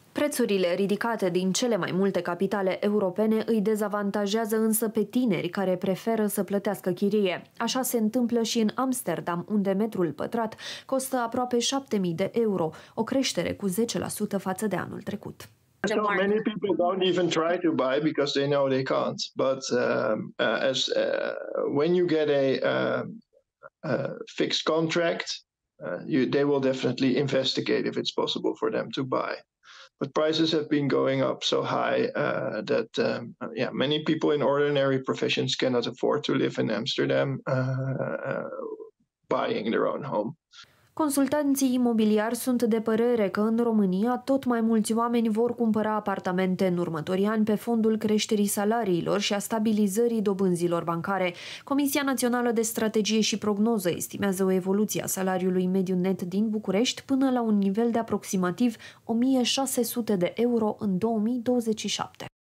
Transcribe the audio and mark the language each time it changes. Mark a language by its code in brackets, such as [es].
[ro] Prețurile ridicate din cele mai multe capitale europene îi dezavantajează însă pe tineri care preferă să plătească chirie. Așa se întâmplă și în Amsterdam, unde metrul pătrat costă aproape 7.000 de euro, o creștere cu 10% față de anul trecut. [en] So many people don't even try to buy because they know they can't. But as when you get a fixed contract, they will definitely investigate if it's possible for them to buy. But prices have been going up so high that many people in ordinary professions cannot afford to live in Amsterdam buying their own home. [ro] Consultanții imobiliari sunt de părere că în România tot mai mulți oameni vor cumpăra apartamente în următorii ani pe fondul creșterii salariilor și a stabilizării dobânzilor bancare. Comisia Națională de Strategie și Prognoză estimează o evoluție a salariului mediu net din București până la un nivel de aproximativ 1600 de euro în 2027.